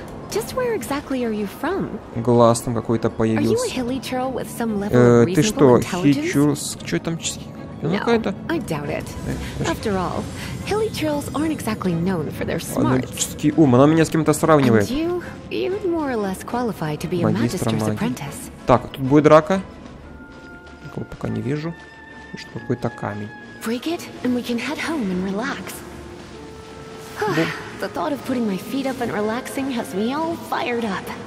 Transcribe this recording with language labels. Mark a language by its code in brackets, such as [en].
[en] Just where exactly are you from? [ru] Глаз там какой-то появился. Ты что, хичурс? Чё там? Ну, какая-то... [en] I doubt it. After all, hilly trolls aren't exactly known for their smarts. [ru] Аналитический ум, она меня с кем-то сравнивает. [en] And you, you'd more or less qualify to be a magister's apprentice. [ru] Так, тут будет драка. Никого пока не вижу. Что какой-то камень. [en] Break it, and we can head home and relax. The thought of putting my feet up and relaxing has me all fired up.